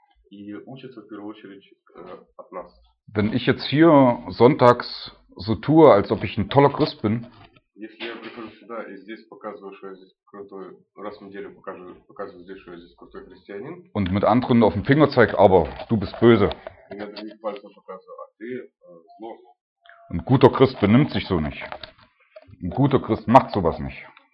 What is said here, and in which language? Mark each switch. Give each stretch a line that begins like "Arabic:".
Russian: И учатся в первую очередь от нас.
German: Wenn ich jetzt hier sonntags so tue, als ob ich ein toller Christ bin.
Russian: Если я прихожу сюда и здесь показываю, что я здесь крутой, раз в неделю показываю здесь, что я здесь крутой христианин.
German: Und mit anderen auf den Finger zeig, aber du bist böse.
Russian: И я другие пальцы показываю, а ты зло.
German: Ein guter Christ benimmt sich so nicht. Ein guter Christ macht sowas nicht.